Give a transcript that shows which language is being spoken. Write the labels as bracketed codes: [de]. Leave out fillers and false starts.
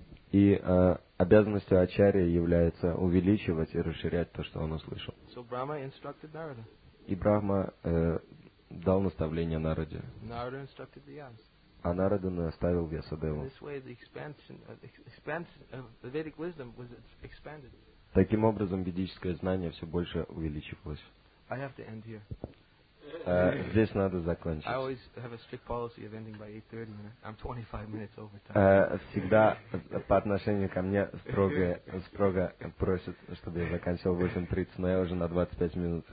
[ru] И обязанностью Ачарьи является увеличивать и расширять то, что он услышал. [en] So Brahma instructed Narada. [ru] И Брахма дал наставление Нараде. [en] Narada instructed Vyas. [ru] А Нарада наставил Вьясадеву. [en] In this way, the expansion of Vedic wisdom was expanded. [ru] Таким образом, ведическое знание все больше увеличивалось. [en] I have to end here. [ru] Здесь надо закончить. [en] I always have a strict policy of ending by 8:30. I'm 25 minutes over time. [ru] Всегда по отношению ко мне строго просят, чтобы я заканчивал 8:30, но я уже на 25 минут